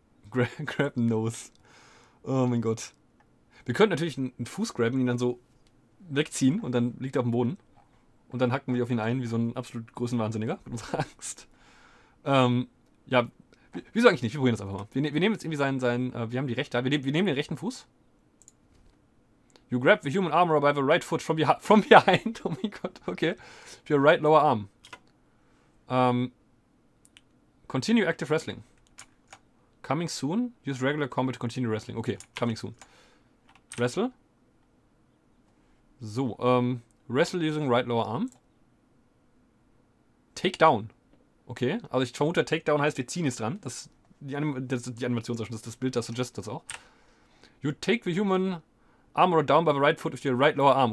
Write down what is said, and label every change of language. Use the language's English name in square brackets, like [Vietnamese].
[German] Grab Nose. Oh mein Gott. Wir könnten natürlich einen Fuß grabben, ihn dann so wegziehen und dann liegt er auf dem Boden. Und dann hacken wir auf ihn ein wie so ein absolut Größenwahnsinniger mit unserer Angst. Ja, wieso eigentlich nicht? Wir probieren das einfach mal. Wir nehmen jetzt irgendwie wir haben die rechte, wir nehmen den rechten Fuß. [English] You grab the human armor by the right foot from behind. [German] Oh mein Gott, [English] okay. Your right lower arm. Continue active wrestling. Coming soon. Use regular combat to continue wrestling. Okay, coming soon. Wrestle. So, wrestle using right lower arm. Take down. [German] Okay, also ich vermute, Takedown heißt, wir ziehen jetzt dran. Das die Animation, das Bild, das suggest das auch. [English] You take the human armor down by the right foot with your right lower arm.